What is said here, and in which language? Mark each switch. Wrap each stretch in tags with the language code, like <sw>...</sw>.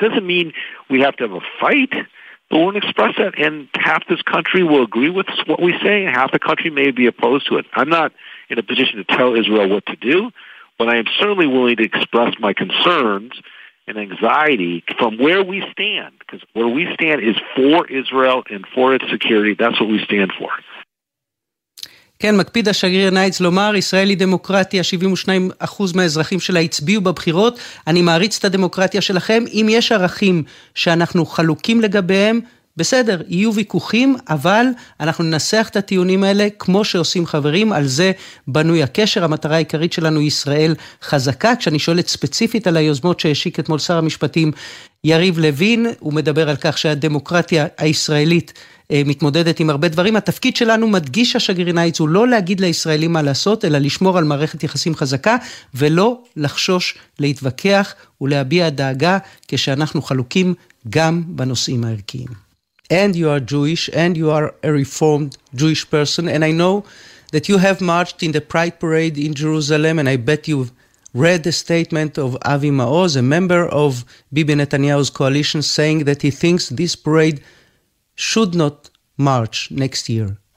<en>Doesn't mean we have to have a fight, but we'll express that, and half this country will agree with what we say, and half the country may be opposed to it. I'm not in a position to tell Israel what to do, but I am certainly willing to express my concerns and anxiety from where we stand, because where we stand is for Israel and for its security. That's what we stand for.</en> <he>כן, מקפיד השגריר נייץ לומר, ישראל היא דמוקרטיה, 72% מהאזרחים שלה הצביעו בבחירות, אני מעריץ את הדמוקרטיה שלכם, אם יש ערכים שאנחנו חלוקים לגביהם, בסדר, יהיו ויכוחים, אבל אנחנו ננסח את הטיעונים האלה כמו שעושים חברים, על זה בנוי הקשר, המטרה העיקרית שלנו היא ישראל חזקה, כשאני שואלת ספציפית על היוזמות שהשיק אתמול שר המשפטים יריב לוין, הוא מדבר על כך שהדמוקרטיה הישראלית מתמודדת עם הרבה דברים. התפקיד שלנו, מדגיש השגרינאיץ, הוא לא להגיד לישראלים מה לעשות, אלא לשמור על מערכת יחסים חזקה, ולא לחשוש להתווכח ולהביע דאגה כשאנחנו חלוקים גם בנושאים הערכיים.</he> <en>And you are Jewish, and you are a reformed Jewish person, and I know that you have marched in the Pride Parade in Jerusalem, and I bet you've read the statement of Avi Maoz, a member of Bibi Netanyahu's coalition, saying that he thinks this parade should not march next year.</en>